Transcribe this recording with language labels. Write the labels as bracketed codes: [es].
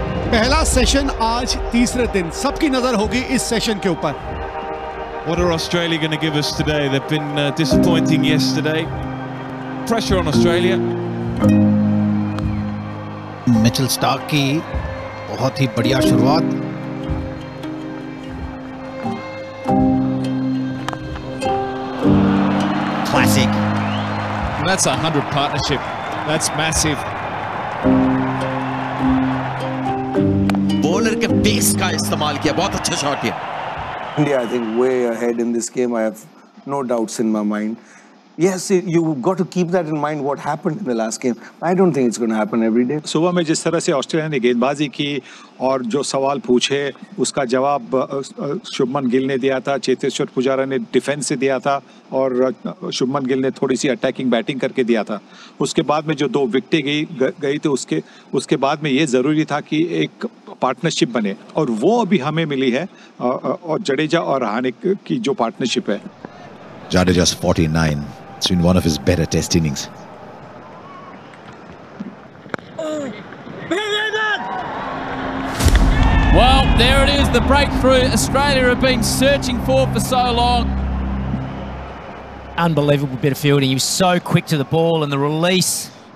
[hi] पहला सेशन आज तीसरे दिन सबकी नजर होगी इस सेशन के ऊपर. [en] What are Australia going to give us today? They've been disappointing yesterday. Pressure on Australia. [hi] Mitchell Starc की बहुत ही बढ़िया शुरुआत. [en] Classic. That's 100 partnership. That's massive. [hi] Bowler के पेस का इस्तेमाल किया. बहुत अच्छा शॉट है. [en] India I think way ahead in this game. I have no doubts in my mind. Yes, you've got to keep that in mind, what happened in the last game. I don't think it's going to happen every day. [hi] सुबह में जिस तरह से Australia ने गेंदबाजी की और जो सवाल पूछे उसका जवाब शुभमन गिल ने दिया था, चेतेश्वर पुजारा ने डिफेंस से दिया था और शुभमन गिल ने थोड़ी सी अटैकिंग बैटिंग करके दिया था. उसके बाद में जो दो विकटें गई थी उसके बाद में ये ज़रूरी था कि एक पार्टनरशिप बने और वो अभी हमें मिली है और जडेजा और रहाणे की जो पार्टनरशिप है. [en] Jadeja's 49. It's been one of his better test innings. Well, there it is, the breakthrough Australia have been searching for so long. Unbelievable bit of fielding. He was so quick to the ball and the release.